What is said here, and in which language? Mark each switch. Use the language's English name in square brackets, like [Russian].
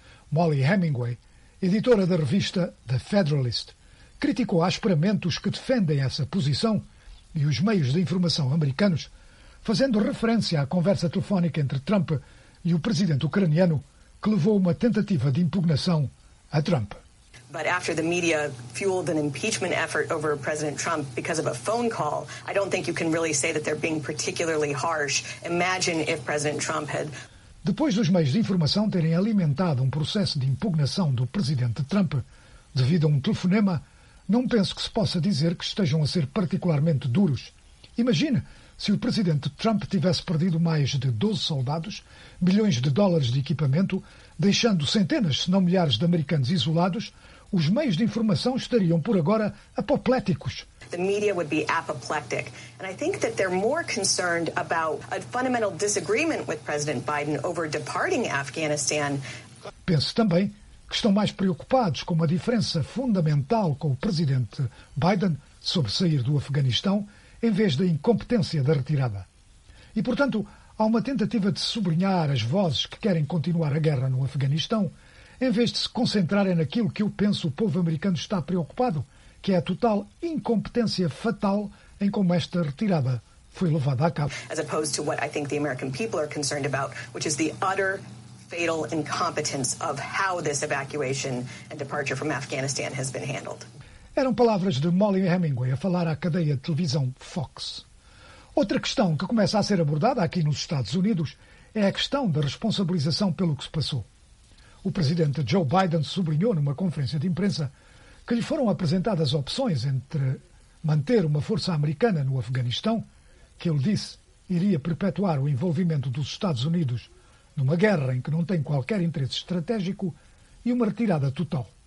[Portuguese] Molly Hemingway, editora da revista The Federalist, criticou asperamente os que defendem essa posição e os meios de informação americanos, fazendo referência à conversa telefónica entre Trump e o presidente ucraniano, que levou uma tentativa de impugnação a Trump. [English] But after the media fueled an impeachment effort over President Trump because of a phone call, I don't think you can really say that they're being particularly harsh. Imagine if President Trump had... [Portuguese] Depois dos meios de informação terem alimentado um processo de impugnação do presidente Trump devido a um telefonema, não penso que se possa dizer que estejam a ser particularmente duros. Imagine se o presidente Trump tivesse perdido mais de 12 soldados, milhões de dólares de equipamento, deixando centenas, se não milhares, de americanos isolados, os meios de informação estariam, por agora, apopléticos. [English] The media would be apoplectic. And I think that they're more concerned about a fundamental disagreement with President Biden over departing Afghanistan. [Portuguese] Penso também que estão mais preocupados com uma diferença fundamental com o presidente Biden sobre sair do Afeganistão, em vez da incompetência da retirada. E, portanto, há uma tentativa de sublinhar as vozes que querem continuar a guerra no Afeganistão, em vez de se concentrarem naquilo que eu penso o povo americano está preocupado, que é a total incompetência fatal em como esta retirada foi levada a cabo. [English] As opposed to what I think the American people are concerned about, which is the utter fatal incompetence of how this evacuation and departure from Afghanistan has been handled. [Portuguese] Eram palavras de Molly Hemingway a falar à cadeia de televisão Fox. Outra questão que começa a ser abordada aqui nos Estados Unidos é a questão da responsabilização pelo que se passou. O presidente Joe Biden sublinhou numa conferência de imprensa que lhe foram apresentadas opções entre manter uma força americana no Afeganistão, que ele disse iria perpetuar o envolvimento dos Estados Unidos numa guerra em que não tem qualquer interesse estratégico, e uma retirada total.